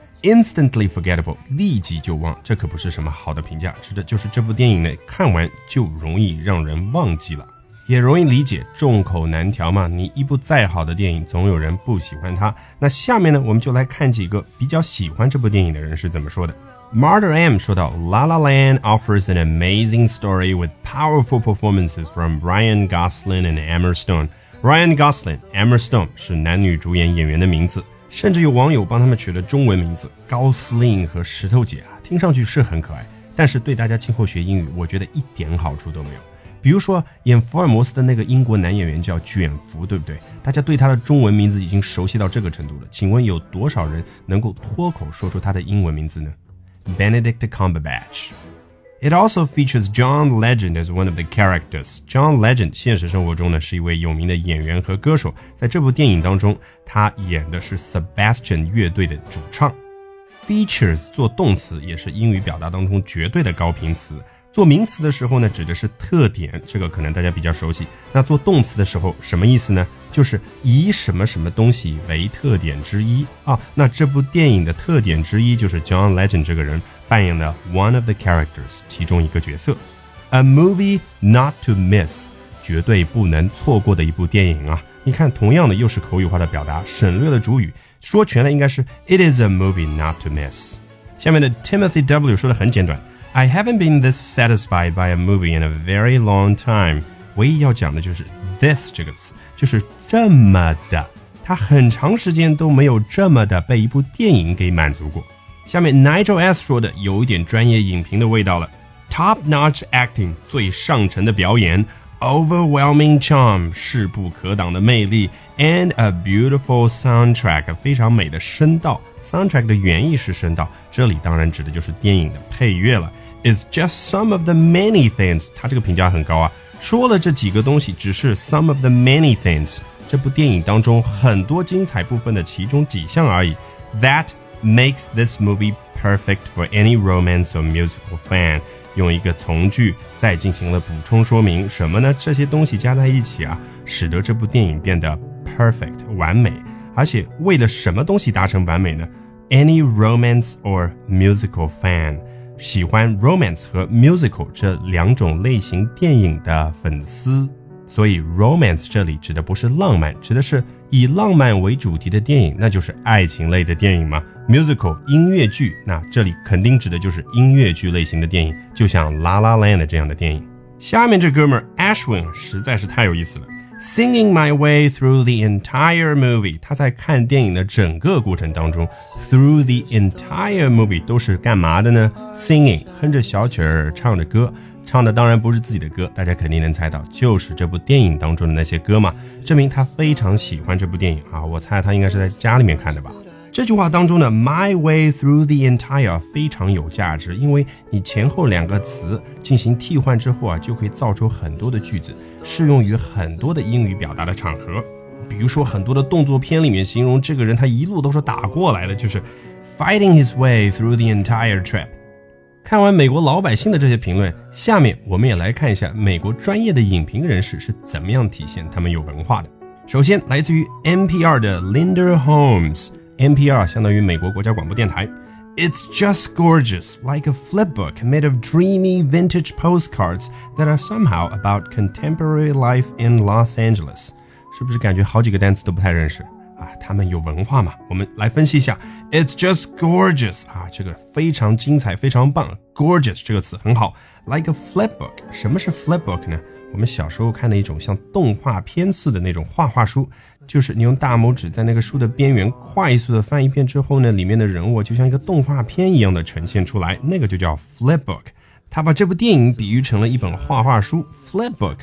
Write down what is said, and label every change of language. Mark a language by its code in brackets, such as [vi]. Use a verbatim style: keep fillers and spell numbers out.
[en] Instantly forgettable， [zh] 立即就忘，这可不是什么好的评价，指的就是这部电影呢，看完就容易让人忘记了，也容易理解，众口难调嘛。你一部再好的电影，总有人不喜欢它。那下面呢，我们就来看几个比较喜欢这部电影的人是怎么说的。 [en] Martyr M [zh] 说到 [en] La La Land offers an amazing story with powerful performances from Ryan Gosling and Emma Stone. [zh] Ryan Gosling, Emma Stone 是男女主演演员的名字，甚至有网友帮他们取了中文名字高司令和石头姐啊，听上去是很可爱，但是对大家今后学英语我觉得一点好处都没有。比如说演福尔摩斯的那个英国男演员叫卷福，对不对？大家对他的中文名字已经熟悉到这个程度了，请问有多少人能够脱口说出他的英文名字呢？ [en] Benedict Cumberbatch. It also features John Legend as one of the characters. [zh] John Legend 现实生活中呢是一位有名的演员和歌手，在这部电影当中，他演的是 Sebastian 乐队的主唱。 Features 做动词也是英语表达当中绝对的高频词。做名词的时候呢，指的是特点，这个可能大家比较熟悉。那做动词的时候，什么意思呢？就是以什么什么东西为特点之一啊。那这部电影的特点之一就是 John Legend 这个人扮演的 [en] one of the characters， [zh] 其中一个角色。 [en] A movie not to miss， [zh] 绝对不能错过的一部电影啊。你看，同样的又是口语化的表达，省略了主语，说全了应该是 [en] It is a movie not to miss。 [zh] 下面的 Timothy W 说的很简短。 [en] I haven't been this satisfied by a movie in a very long time. [zh] 唯一要讲的就是 this 这个词，就是这么的，他很长时间都没有这么的被一部电影给满足过。下面 Nigel S 说的有一点专业影评的味道了。 [en] Top-notch acting， [zh] 最上乘的表演 ， [en] overwhelming charm， [zh] 势不可挡的魅力 ， [en] and a beautiful soundtrack， [zh] 非常美的声道。Soundtrack 的原意是声道，这里当然指的就是电影的配乐了。 [en] is just some of the many things. [zh] 他这个评价很高啊，说了这几个东西只是 [en] some of the many things， [zh] 这部电影当中很多精彩部分的其中几项而已。 [en] That makes this movie perfect for any romance or musical fan. [zh] 用一个从句再进行了补充说明，什么呢？这些东西加在一起啊，使得这部电影变得 perfect 完美。而且为了什么东西达成完美呢？ [en] Any romance or musical fan， [zh] 喜欢 romance 和 musical 这两种类型电影的粉丝。所以 romance 这里指的不是浪漫，指的是以浪漫为主题的电影，那就是爱情类的电影嘛。 musical 音乐剧，那这里肯定指的就是音乐剧类型的电影，就像 La La Land 这样的电影。下面这哥们 Ashwin 实在是太有意思了。 [en] Singing my way through the entire movie， [zh] 他在看电影的整个过程当中 [en] through the entire movie [zh] 都是干嘛的呢？ Singing， 哼着小曲儿，唱着歌，唱的当然不是自己的歌，大家肯定能猜到，就是这部电影当中的那些歌嘛，证明他非常喜欢这部电影啊，我猜他应该是在家里面看的吧。这句话当中的 [en] my way through the entire [zh] 非常有价值，因为你前后两个词进行替换之后啊，就可以造出很多的句子，适用于很多的英语表达的场合。比如说很多的动作片里面形容这个人他一路都是打过来的，就是 [en] fighting his way through the entire trip。 [zh] 看完美国老百姓的这些评论，下面我们也来看一下美国专业的影评人士是怎么样体现他们有文化的。首先来自于 N P R 的 Linda Holmes，N P R 相当于美国国家广播电台。 [en] It's just gorgeous, like a flip book made of dreamy vintage postcards that are somehow about contemporary life in Los Angeles. [zh] 是不是感觉好几个单词都不太认识啊？他们有文化嘛？我们来分析一下。 [en] It's just gorgeous [zh] 啊，这个非常精彩，非常棒。 Gorgeous 这个词很好。 [en] Like a flip book， [zh] 什么是 flip book 呢？我们小时候看的一种像动画片似的那种画画书，就是你用大拇指在那个书的边缘快速的翻一遍之后呢，里面的人物就像一个动画片一样的呈现出来，那个就叫 flip book。他把这部电影比喻成了一本画画书 flip book。